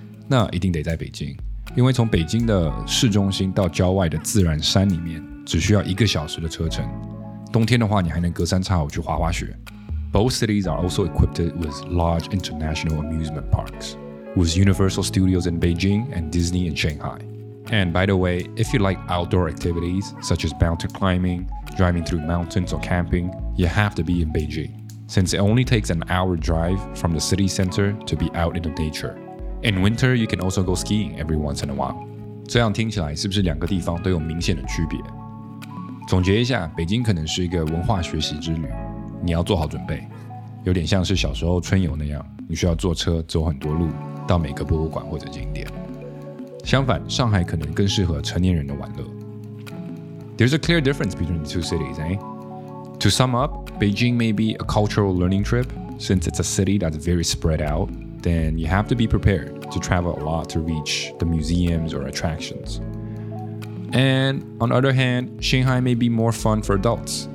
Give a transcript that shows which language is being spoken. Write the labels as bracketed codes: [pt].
[zh] 那一定得在北京，因为从北京的市中心到郊外的自然山里面只需要一个小时的车程，冬天的话你还能隔三差五去滑滑雪。 [en] Both cities are also equipped with large international amusement parks, with Universal Studios in Beijing and Disney in Shanghai. And by the way, if you like outdoor activities such as mountain climbing, driving through mountains or camping, you have to be in Beijing, since it only takes an hour drive from the city center to be out in the natureIn winter, you can also go skiing every once in a while. [zh] 这样听起来是不是两个地方都有明显的区别？总结一下，北京可能是一个文化学习之旅，你要做好准备，有点像是小时候春游那样，你需要坐车走很多路，到每个博物馆或者景点。相反，上海可能更适合成年人的玩乐。 [en] There's a clear difference between the two cities, eh? To sum up, Beijing may be a cultural learning trip, since it's a city that's very spread out. Then you have to be prepared to travel a lot to reach the museums or attractions. And on the other hand, Shanghai may be more fun for adults.